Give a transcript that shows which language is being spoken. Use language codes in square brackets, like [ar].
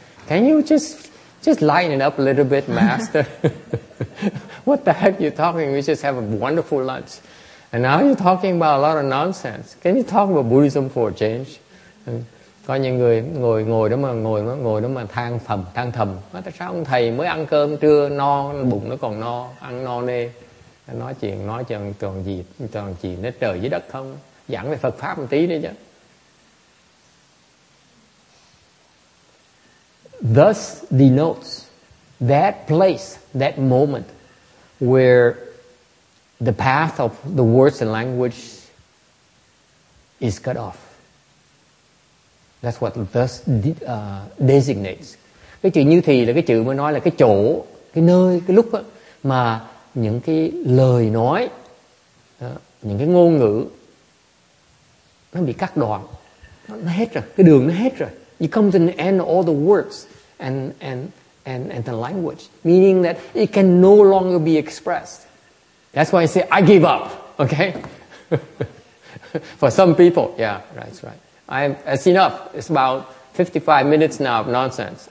[en] Can you just lighten it up a little bit, Master? What the heck are you talking? We just have a wonderful lunch. And now you're talking about a lot of nonsense. Can you talk about Buddhism for a change? [vi] Có những người ngồi đó mà than thầm. Nói tại sao ông thầy mới ăn cơm trưa no, bụng nó còn no, ăn no nê. Nói chuyện toàn gì, toàn chuyện nó trời dưới đất không. Giảng về Phật Pháp một tí nữa chứ. [en] Thus denotes that place, that moment where the path of the words and language is cut off. That's what thus designates. [vi] Cái chữ như thì là cái chữ mới nói là cái chỗ, cái nơi, cái lúc đó, mà những cái lời nói, đó, những cái ngôn ngữ nó bị cắt đoạn. Nó hết rồi, cái đường nó hết rồi. [en] You come to the end of all the words and the language, meaning that it can no longer be expressed. That's why I say, I give up, okay? For some people, yeah, right, that's right. That's enough. It's about 55 minutes now of nonsense.